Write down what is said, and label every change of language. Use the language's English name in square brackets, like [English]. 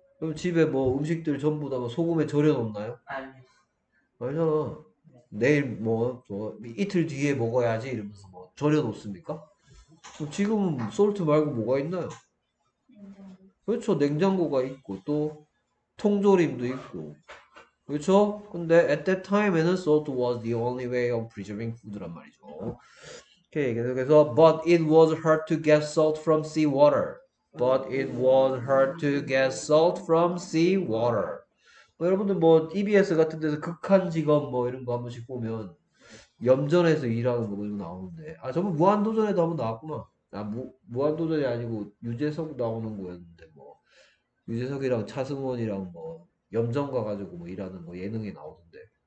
[Korean] 그럼 집에 뭐 음식들 전부 다 소금에 절여 놓나요? 아니. 아니잖아. 내일 뭐, 뭐 이틀 뒤에 먹어야지 이러면서 뭐 절여 놓습니까? 그럼 지금은 salt 말고 뭐가 있나요? 그쵸? 냉장고가 있고 또 통조림도 있고. 그렇죠? 근데 [English] at that time에는 salt was the only way of preserving food [Korean] 란 말이죠. 오케이, 계속해서 [English] but it was hard to get salt from seawater. But it was hard to get salt from seawater. [Korean] 뭐, 여러분들 뭐 EBS 같은 데서 극한 직업 뭐 이런 거 한번씩 보면 염전에서 일하는 거 이런 거 나오는데 아 저번 무한도전에도 한번 나왔구나. 아 무한도전이 아니고 유재석 나오는 거였는데 뭐 유재석이랑 차승원이랑 뭐 염전 가가지고 뭐 일하는 거 예능에 나오던데.